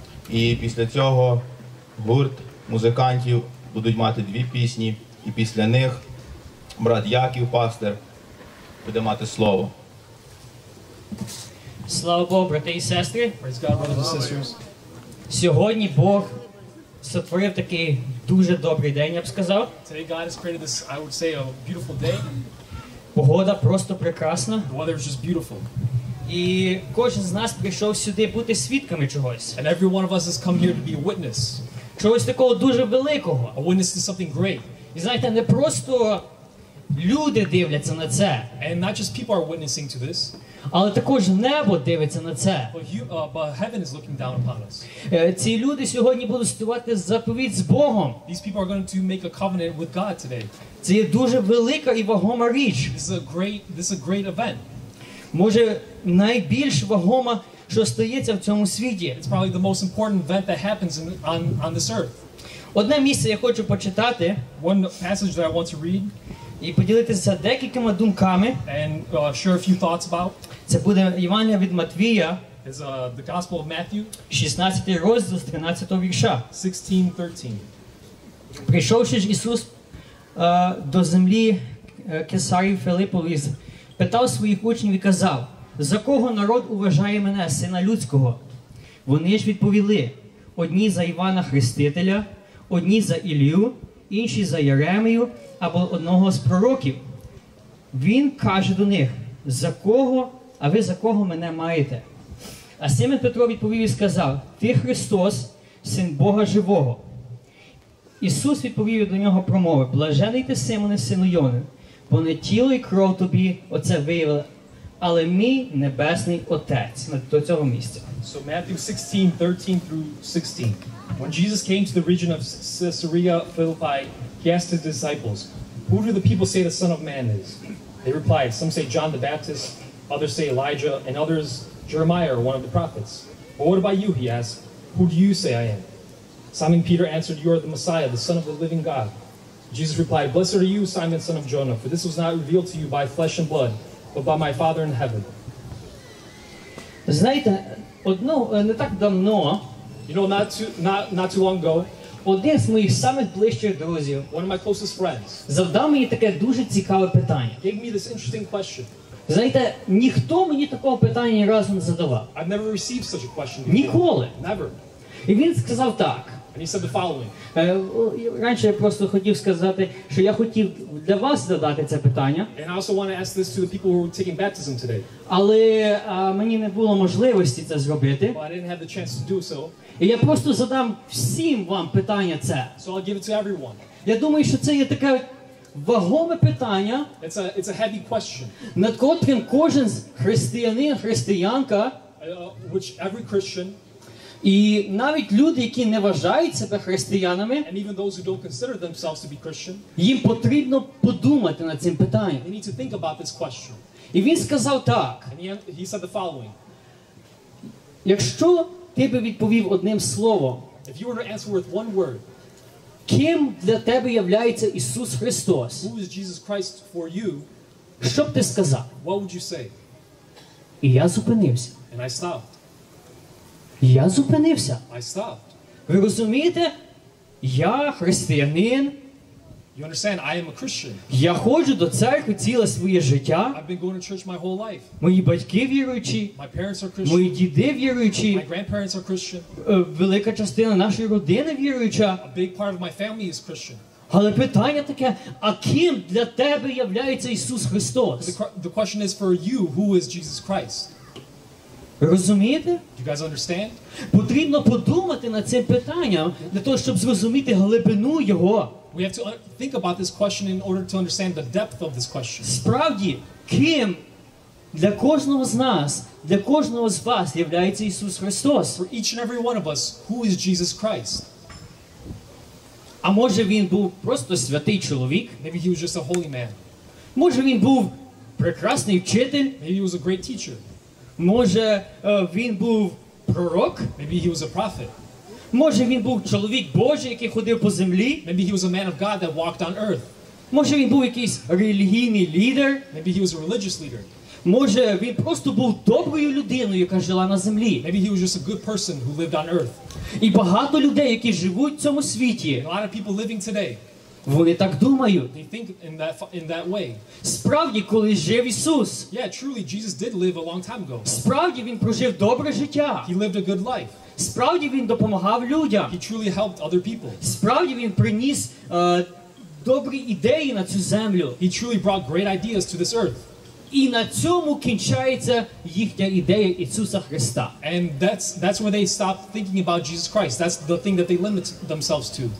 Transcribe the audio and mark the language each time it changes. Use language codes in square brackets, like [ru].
[uk] І після цього гурт музикантів будуть мати дві пісні. І після них брат Яків, пастир, буде мати слово. Слава Богу, брати і сестри. [en] Praise God, brothers and sisters. [uk] Сьогодні Бог сотворив такий дуже добрий день, я б сказав. [en] Today God has created this, I would say, a beautiful day. [uk] Погода просто прекрасна. [en] The weather is just beautiful. [uk] І кожен з нас прийшов сюди бути свідками чогось. [en] And every one of us has come here to be a witness. [uk] Чогось такого дуже великого. [en] A witness to something great. [uk] І знаєте, не просто люди дивляться на це. [en] And not just people are witnessing to this. [uk] Але також небо дивиться на це. [en] But heaven is looking down upon us. [uk] Ці люди сьогодні будуть ситувати заповідь з Богом. [en] These people are going to make a covenant with God today. [uk] Це є дуже велика і вагома річ. [en] This is a great event. [uk] Може, найбільш вагома, що стається в цьому світі. [en] It's probably the most important event that happens on this earth. [uk] Одне місце я хочу почитати. [en] One passage that I want to read. [uk] І поділитися декількома думками. [en] And share a few thoughts about. [uk] Це буде Євангеліє від Матвія. [en] It's the Gospel of Matthew. [uk] 16 розділ з 13 вірша. [en] 16:13. [uk] Прийшовши ж Ісус до землі Кесарії Филипової, питав своїх учнів і казав: «За кого народ уважає мене, сина людського?» Вони ж відповіли: «Одні за Івана Хрестителя, одні за Ілію, інші за Єремію або одного з пророків». Він каже до них: «За кого, а ви за кого мене маєте?» А Симон Петро відповів і сказав: «Ти Христос, син Бога живого». Ісус відповів до нього, промовив: «Блажений ти, Симоне, сину Йони, бо не тіло і кров тобі оце виявили, але мій небесний Отець». До цього місця. [en] So Matthew 16:13-16. When Jesus came to the region of Caesarea Philippi, he asked his disciples, "Who do the people say the Son of Man is?" They replied, "Some say John the Baptist, others say Elijah, and others Jeremiah or one of the prophets." "But what about you?" he asked. "Who do you say I am?" Simon Peter answered, "You are the Messiah, the Son of the living God." Jesus replied, "Blessed are you, Simon, son of Jonah, for this was not revealed to you by flesh and blood, but by my Father in heaven." [uk] Знаєте, не так давно, [en] you know, not too long ago, [uk] один з моїх самих ближчих друзів, [en] one of my closest friends, [uk] завдав мені таке дуже цікаве питання. [en] Gave me this interesting question. [uk] Знаєте, ніхто мені такого питання ні разу не задавав. [en] I've never received such a question before. [uk] Ніколи. [en] Never. [uk] І він сказав так. [en] And he said the following. [uk] Раніше я просто хотів сказати, що я хотів для вас задати це питання. [en] And I also want to ask this to the people who are taking baptism today. [uk] Але мені не було можливості це зробити. [en] But I didn't have the chance to do so. [uk] І я просто задам всім вам питання це. [en] So I'll give it to everyone. [uk] Я думаю, що це є таке вагоме питання. [en] It's a heavy question. [uk] Над котрим кожен християнин, християнка, [en] which every Christian, [uk] і навіть люди, які не вважають себе християнами, [en] and even those who don't consider themselves to be Christian, [uk] їм потрібно подумати над цим питанням. [en] They need to think about this question. [uk] І він сказав так. [en] And he said the following. [uk] Якщо ти би відповів одним словом, [en] if you were to answer with one word, [uk] ким для тебе являється Ісус Христос, [en] who is Jesus Christ for you, [uk] що б ти сказав? [en] What would you say? [uk] І я зупинився. [en] And I stopped. [uk] Я зупинився. [en] I stopped. [uk] Ви розумієте? Я християнин. [en] You understand? I am a Christian. [uk] Я ходжу до церкви ціле своє життя. [en] I've been going to church my whole life. [uk] Мої батьки віруючі. [en] My parents are Christian. [uk] Мої діди віруючі. [en] My grandparents are Christian. [uk] Велика частина нашої родини віруюча. [en] A big part of my family is Christian. [uk] Але питання таке: а ким для тебе являється Ісус Христос? [en] The question is for you, who is Jesus Christ? [uk] Ви розумієте? [en] Do you guys understand? [uk] Потрібно подумати над цим питанням для того, щоб зрозуміти глибину його. [en] We have to think about this question in order to understand the depth of this question. [uk] Справді, ким для кожного з нас, для кожного з вас являється Ісус Христос? [en] For each and every one of us, who is Jesus Christ? [uk] А може він був просто святий чоловік? [en] Maybe he was just a holy man. [uk] Може він був прекрасний вчитель? [en] Maybe he was a great teacher. [uk] Може, він був пророк? [en] Maybe he was a prophet. [uk] Може він був чоловік Божий, який ходив по землі? [en] Maybe he was a man of God that walked on earth. [uk] Може він був якийсь релігійний лідер? [en] Maybe he was a religious leader. [uk] Може він просто був доброю людиною, яка жила на землі? [en] Maybe he was just a good person who lived on earth. [uk] І багато людей, які живуть в цьому світі, [en] a lot of people living today. [uk] Вони так думають. [en] They think in that way. [uk] Справді, коли жив Ісус? [en] Yeah, truly Jesus did live a long time ago. [uk] Справді він прожив добре життя? [en] He lived a good life. [uk] Справді він допомагав людям? [en] He truly helped other people. [uk] Справді він приніс добрі ідеї на цю землю? [en] He truly brought great ideas to this earth. [uk] І на цьому кінчається їхня ідея Ісуса Христа. [en] And that's where they stop thinking about Jesus Christ. That's the thing that they limit themselves to.